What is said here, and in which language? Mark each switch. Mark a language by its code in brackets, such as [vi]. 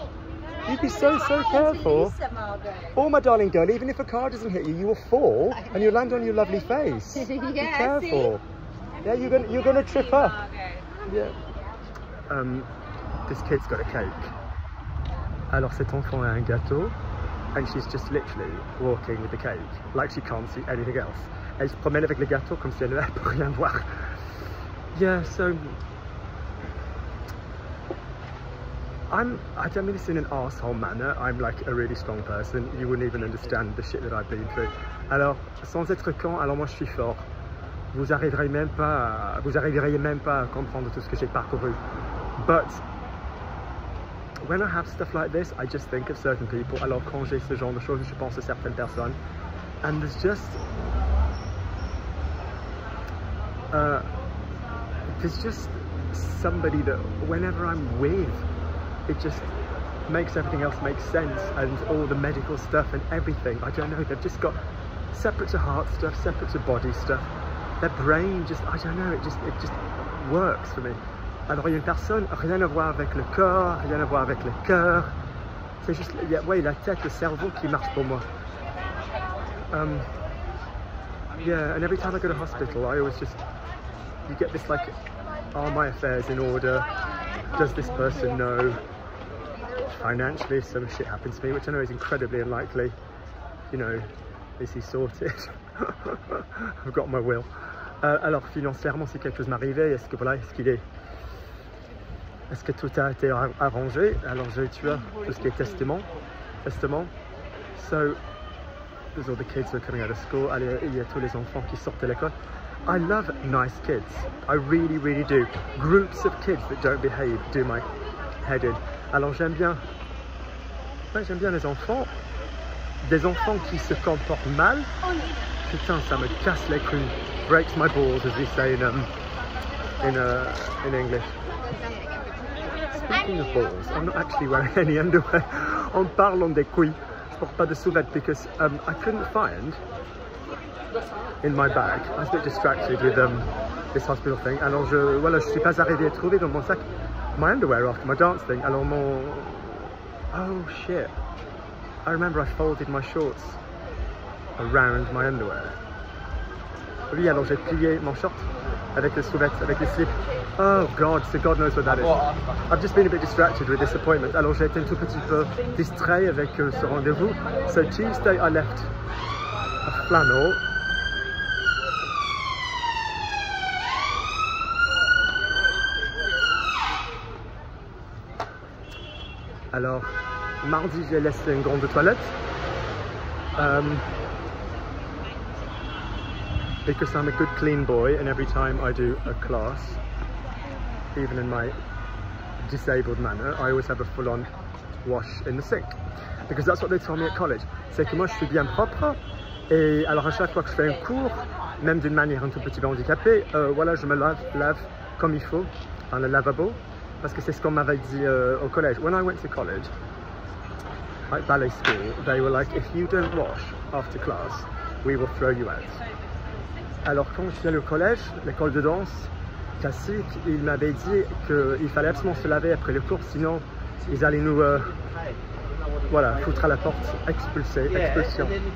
[en] Wait, you'd be so careful. Oh, my darling girl, even if a car doesn't hit you, you will fall and you'll land on your lovely face. Yeah, be careful. See? Yeah, you're gonna trip up. Yeah. This kid's got a cake. [fr] Alors, cet enfant a un gâteau. [en] And she's just literally walking with the cake, like she can't see anything else. [fr] Elle se promène avec le gâteau comme si elle n'avait pas rien voir. [en] Yeah, so I don't mean this in an arsehole manner. I'm like a really strong person. You wouldn't even understand the shit that I've been through. [fr] Alors, sans être con, alors moi je suis fort. Vous arriveriez même pas à comprendre tout ce que j'ai parcouru. [en] But when I have stuff like this, I just think of certain people. [fr] Alors quand j'ai ce genre de choses, je pense à certaines personnes. [en] And there's just somebody that whenever I'm with, it just makes everything else make sense, and all the medical stuff and everything. I don't know, they've just got separate to heart stuff, separate to body stuff. Their brain just, I don't know, it just works for me. [fr] Alors, il y a une personne, rien à voir avec le corps, rien à voir avec le cœur. C'est juste, ouais, la tête, le cerveau qui marche pour moi. [en] Yeah, and every time I go to hospital, I always just, you get this like, are my affairs in order? Does this person know? Financially, some shit happens to me, which I know is incredibly unlikely. You know, is he sorted? I've got my will. [fr] Alors, financièrement, si quelque chose m'arrivait, est-ce que voilà, est-ce qu'il est... Est-ce que tout a été arrangé? Alors, j'ai tué tout ce qui est testament. Testament. [en] So, there's all the kids who are coming out of school. [fr] Allez, il y a tous les enfants qui sortent de l'école. [en] I love nice kids. I really, really do. Groups of kids that don't behave do my head in. [fr] Alors, j'aime bien. Ouais, j'aime bien les enfants. Des enfants qui se comportent mal. Putain, ça me casse les couilles. [en] Breaks my balls, as we say in in English. Speaking of balls, I'm not actually wearing any underwear. [fr] En parlant des couilles, porte pas de soulette, [en] because I couldn't find in my bag. I was a bit distracted with this hospital thing. Alors je, voilà, je suis pas arrivé à trouver dans mon sac my underwear after my dance thing. [fr] Alors mon, [en] oh shit! I remember I folded my shorts around my underwear. [fr] Oui, alors j'ai plié mon short avec le sous-vêtement, avec le slip. [en] Oh God, so God knows what that is. I've just been a bit distracted with this appointment. [fr] Alors j'ai été un tout petit peu distrait avec ce rendez-vous. [en] So Tuesday I left a flannel. [fr] Alors, mardi j'ai laissé une grande toilette. [en] Because I'm a good clean boy, and every time I do a class, even in my disabled manner, I always have a full-on wash in the sink. Because that's what they told me at college. [fr] C'est que moi, je suis bien propre, et alors à chaque fois que je fais un cours, même d'une manière un tout petit peu handicapée, voilà, je me lave comme il faut, dans le lavabo, parce que c'est ce qu'on m'avait dit au collège. [en] When I went to college, like ballet school, they were like, if you don't wash after class, we will throw you out. [fr] Alors quand je suis allé au collège, l'école de danse classique, ils m'avaient dit qu'il fallait absolument se laver après le cours, sinon ils allaient nous voilà, foutre à la porte, expulser, expulsion.